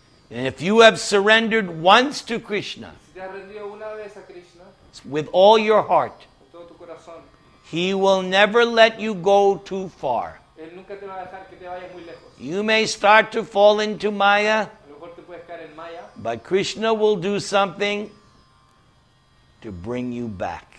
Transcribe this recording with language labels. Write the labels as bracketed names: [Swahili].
[English] And if you have surrendered once to Krishna, [Spanish] si te has rendido una vez a Krishna, [English] with all your heart, [Spanish] con todo tu corazón, [English] he will never let you go too far. [Spanish] Él nunca te va a dejar que te vayas muy lejos. [English] You may start to fall into Maya, [Spanish] a lo mejor te puedes caer en Maya, [English] but Krishna will do something to bring you back.